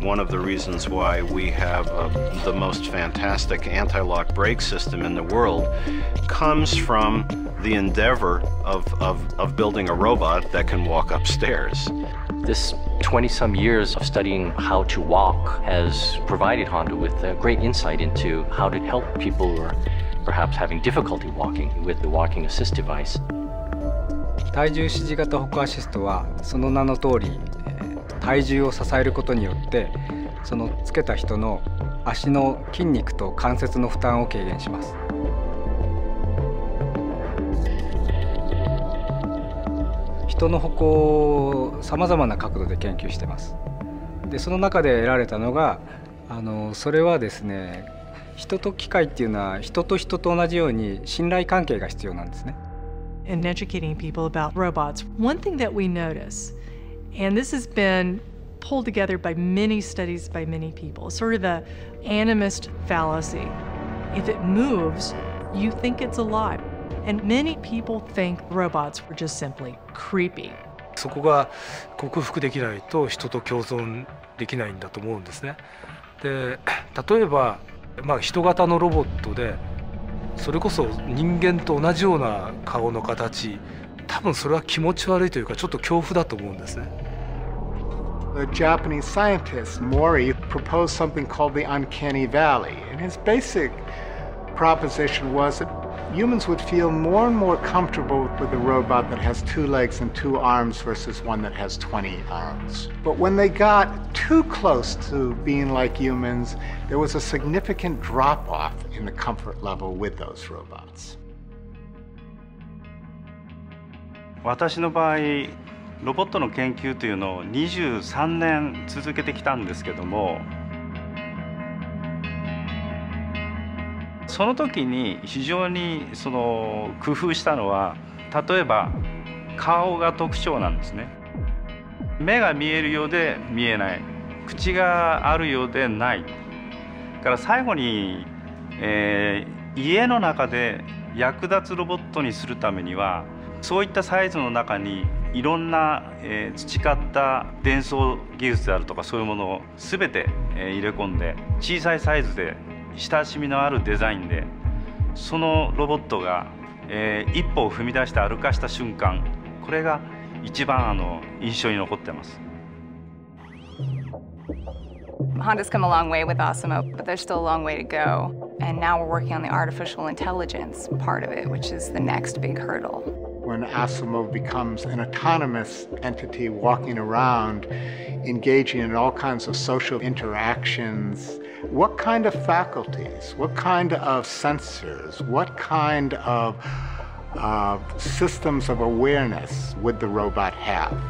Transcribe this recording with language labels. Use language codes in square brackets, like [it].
[en] One of the reasons why we have the most fantastic anti-lock brake system in the world comes from the endeavor of building a robot that can walk upstairs. This 20-some years of studying how to walk has provided Honda with a great insight into how to help people who are perhaps having difficulty walking with the walking assist device. [ja] 体重支持型歩行アシストはその名の通り、体重を支えることによって、そのつけた人の足の筋肉と関節の負担を軽減します。人の歩行をさまざまな角度で研究してます。で、その中で得られたのが、それはですね、人と機械っていうのは人と人と同じように信頼関係が必要なんですね。 [en] In educating people about robots, one thing that we notice, and this has been pulled together by many studies by many people, sort of the animist fallacy. If it moves, you think it's alive. And many people think robots were just simply creepy. [ja] そこが克服できないと人と共存できないんだと思うんですね。で、例えば、まあ、人型のロボットでそれこそ人間と同じような顔の形、多分それは気持ち悪いというかちょっと恐怖だと思うんですね。 [en] The Japanese scientist Mori proposed something called the Uncanny Valley. And his basic proposition was that humans would feel more and more comfortable with a robot that has two legs and two arms versus one that has 20 arms. But when they got too close to being like humans, there was a significant drop-off in the comfort level with those robots. [ja] 私の場合、ロボットの研究というのを23年続けてきたんですけども、その時に非常にその工夫したのは、例えば顔が特徴なんですね。目が見えるようで見えない、口があるようでない、だから最後に、家の中で役立つロボットにするためには、そういったサイズの中にいろんな、培った伝送技術であるとかそういうものを全て、入れ込んで、小さいサイズで親しみのあるデザインで、そのロボットが、一歩を踏み出して歩かした瞬間、これが一番印象に残ってます。 [en] Honda's come a long way with Osimo, but there's still a long way to go. And now we're working on the artificial intelligence part of it, which is the next big hurdle. When Osimo becomes an autonomous entity walking around, engaging in all kinds of social interactions, what kind of faculties, what kind of sensors, what kind of systems of awareness would the robot have?